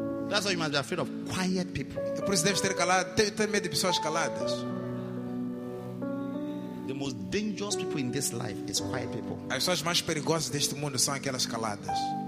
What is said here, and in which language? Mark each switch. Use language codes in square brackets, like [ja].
[en] That's why you must be afraid of quiet people. [pt] Por isso deves ter calado, ter medo de pessoas caladas. [en] The most dangerous people in this life is quiet people. [pt] As pessoas mais perigosas deste mundo são aquelas caladas.